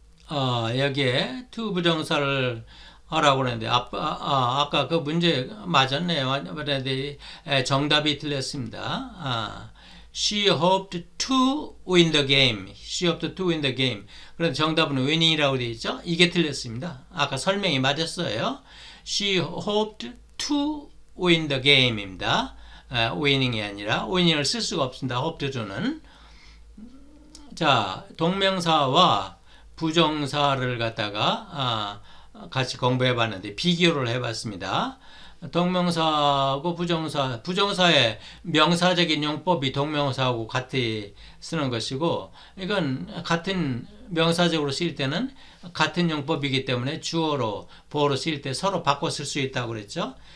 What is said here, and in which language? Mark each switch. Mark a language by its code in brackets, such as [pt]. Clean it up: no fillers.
[ko] 여기에 to 부정사를 하라고 그러는데 아까 그 문제 맞았네요. 그런데 정답이 틀렸습니다. [en] She hoped to win the game. She hoped to win the game. [ko] 그런데 정답은 winning이라고 되어 있죠? 이게 틀렸습니다. 아까 설명이 맞았어요. [en] She hoped to win the game입니다. [ko] winning이 아니라 winning을 쓸 수가 없습니다. hope to는. 자, 동명사와 부정사를 갖다가 같이 공부해 봤는데 비교를 해 봤습니다. 동명사하고 부정사, 부정사의 명사적인 용법이 동명사하고 같이 쓰는 것이고, 이건 같은 명사적으로 쓸 때는 같은 용법이기 때문에 주어로, 보어로 쓸때 서로 바꿔 쓸수 있다고 그랬죠.